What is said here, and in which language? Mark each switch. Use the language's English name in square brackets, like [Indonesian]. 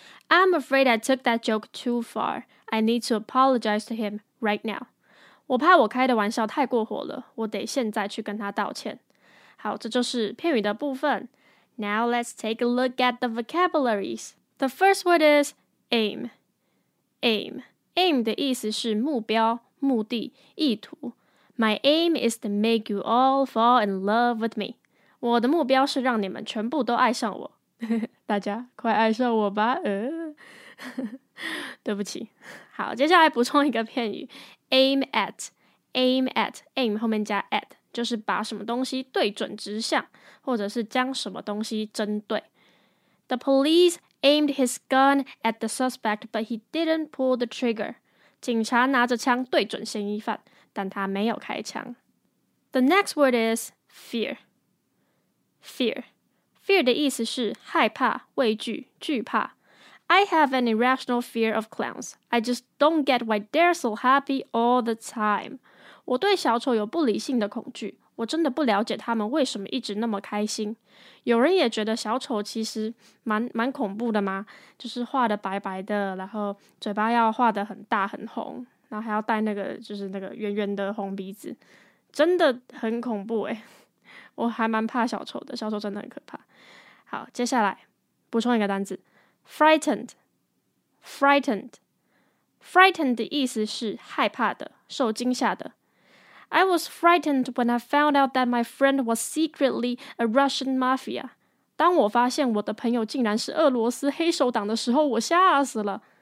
[English] I'm afraid I took that joke too far. I need to apologize to him right now. [Chinese] 我怕我开的玩笑太过火了，我得现在去跟他道歉。好，这就是片语的部分。 [English] Now let's take a look at the vocabularies. The first word is aim. Aim. [Chinese] Aim 的意思是目标、目的、意图。 [English] My aim is to make you all fall in love with me. [Chinese] 我的目标是让你们全部都爱上我。大家快爱上我吧。对不起。好接下来补充一个片语。 [English] aim at, [Chinese] aim at, aim 后面加 at, 就是把什么东西对准直向或者是将什么东西针对。 [English] The police aimed his gun at the suspect, but he didn't pull the trigger. [Chinese] 警察拿着枪对准嫌疑犯但他没有开枪。 [English] The next word is fear. Fear. Fear [Chinese] 的意思是害怕、畏惧、惧怕。 [English] I have an irrational fear of clowns. I just don't get why they're so happy all the time. [Chinese] 我对小丑有不理性的恐惧。我真的不了解他们为什么一直那么开心。有人也觉得小丑其实蛮恐怖的嘛，就是画得白白的，然后嘴巴要画得很大很红，然后还要戴那个就是那个圆圆的红鼻子，真的很恐怖耶。我还蛮怕小丑的，小丑真的很可怕。好，接下来补充一个单字 ， [English] frightened， [Chinese] frightened， frightened 的意思是害怕的，受惊吓的。 [English] I was frightened when I found out that my friend was secretly a Russian mafia. [Chinese] 当我发现我的朋友竟然是俄罗斯黑手党的时候，我吓死了。